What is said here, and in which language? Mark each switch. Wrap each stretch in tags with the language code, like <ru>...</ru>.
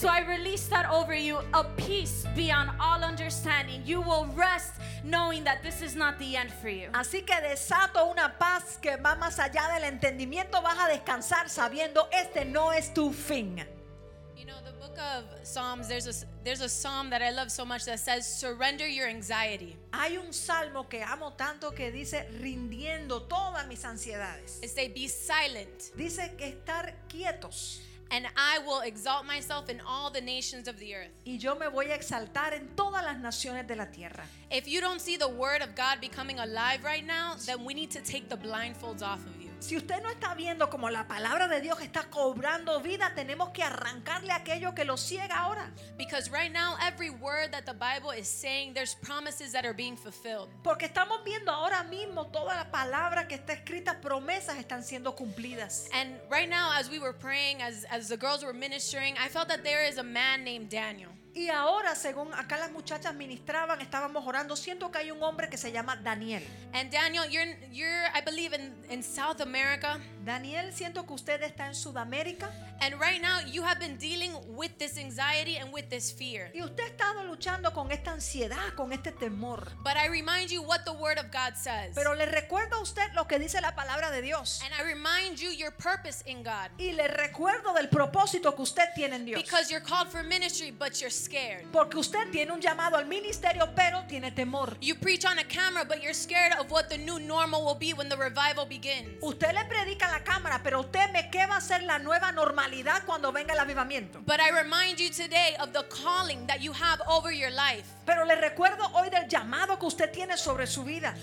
<en>So I release that over you, a peace beyond all understanding. You will rest knowing that this is not the end for you.</en> <es>Así que desato una paz que va más allá del entendimiento. Vas a descansar sabiendo este no es tu fin.</es> <en>You know, the book of Psalms, there's a psalm that I love so much that says, surrender your anxiety.</en> <es>Hay un salmo que amo tanto que dice rindiendo todas mis ansiedades.</es> <en>It says be silent.</en> <es>Dice que estar quietos.</es> <en>And I will exalt myself in all the nations of the earth.</en> <es>Y yo me voy a exaltar en todas las naciones de la tierra.</es> <en>If you don't see the word of God becoming alive right now, then we need to take the blindfolds off of you.</en> <es>Si usted no está viendo como la palabra de Dios está cobrando vida, tenemos que arrancarle aquello que lo ciega ahora.</es> <en>Because right now every word that the Bible is saying, there's promises that are being fulfilled.</en> <es>Porque estamos viendo ahora mismo toda la palabra que está escrita, promesas están siendo cumplidas.</es> <en>And right now as we were praying, as the girls were ministering, I felt that there is a man named Daniel.</en> <es>Y ahora, según acá las muchachas ministraban, estábamos orando, siento que hay un hombre que se llama Daniel.</es> <en>And Daniel, you're I believe in South America.</en> <es>Daniel, siento que usted está en Sudamérica.</es> <en>And right now you have been dealing with this anxiety and with this fear.</en> <es>Y usted ha estado luchando con esta ansiedad, con este temor.</es> <en>But I remind you what the word of God says.</en> <es>Pero le recuerdo a usted lo que dice la palabra de Dios.</es> <en>And I remind you your purpose in God.</en> <es>Y le recuerdo del propósito que usted tiene en Dios.</es> <en>Because you're called for ministry, but you're scared.</en> <es>Porque usted tiene un llamado al ministerio, pero tiene temor.</es> <en>You preach on a camera, but you're scared of what the new normal will be when the revival begins.</en> <es>Usted le predica a la cámara, pero teme qué va a ser la nueva normalidad cuando venga el avivamiento.</es> <en>But I remind you today of the calling that you have over your life.</en> <es>Pero le recuerdo hoy del llamado que usted tiene sobre su vida.</es>